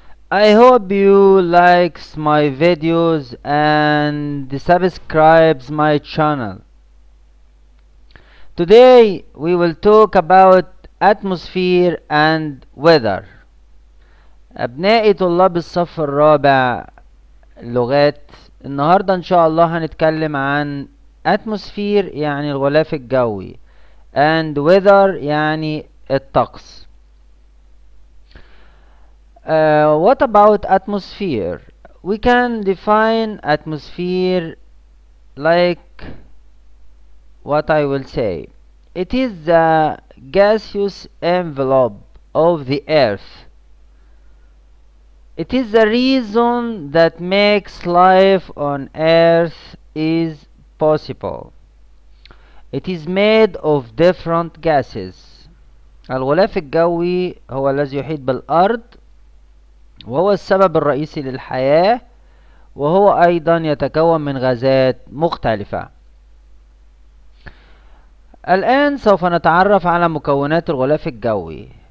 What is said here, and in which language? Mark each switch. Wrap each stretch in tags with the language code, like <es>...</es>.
<en>I hope you like my videos and subscribe my channel. Today we will talk about atmosphere and weather.</en> <ar>أبنائي طلاب الصف الرابع لغات، النهاردة إن شاء الله هنتكلم عن atmosphere يعني الغلاف الجوي</ar> <en>and weather</en> <ar>يعني الطقس.</ar> <en>What about atmosphere? We can define atmosphere like what I will say. It is the gaseous envelope of the earth. It is the reason that makes life on earth is possible. It is made of different gases.</en> <ar>الغلاف الجوي هو الذي يحيط بالأرض وهو السبب الرئيسي للحياة، وهو أيضا يتكون من غازات مختلفة. الآن سوف نتعرف على مكونات الغلاف الجوي.</ar>